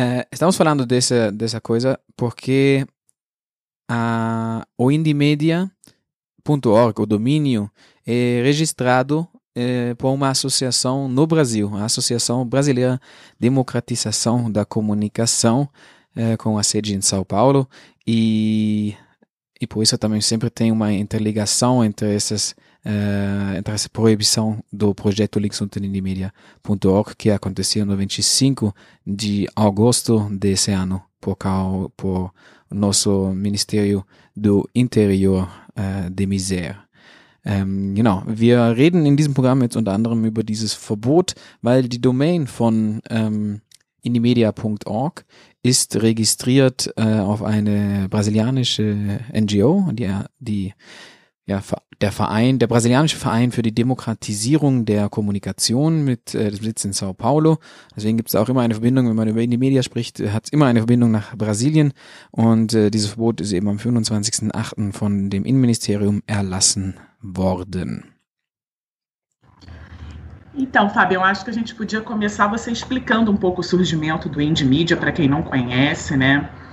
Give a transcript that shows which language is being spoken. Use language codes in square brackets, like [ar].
[pt] Estamos falando dessa coisa porque o indimedia.org, o domínio, é registrado por uma associação no Brasil, a Associação Brasileira Democratização da Comunicação, com a sede em São Paulo, e por isso também sempre tem uma interligação entre essa proibição do projeto linksuntenindimedia.org, que aconteceu no 25 de agosto desse ano, por nosso Ministério do Interior de Miser. [de] Genau, wir reden in diesem Programm jetzt unter anderem über dieses Verbot, weil die Domain von indimedia.org ist registriert auf eine brasilianische NGO, der brasilianische Verein für die Demokratisierung der Kommunikation mit dem Sitz in São Paulo. Deswegen gibt es auch immer eine Verbindung, wenn man über Indimedia spricht, hat es immer eine Verbindung nach Brasilien. Und dieses Verbot ist eben am 25.08. von dem Innenministerium erlassen worden. [pt] Então, Fabian, acho que a gente podia começar você explicando um pouco o surgimento do Indimedia, para quem não conhece, né?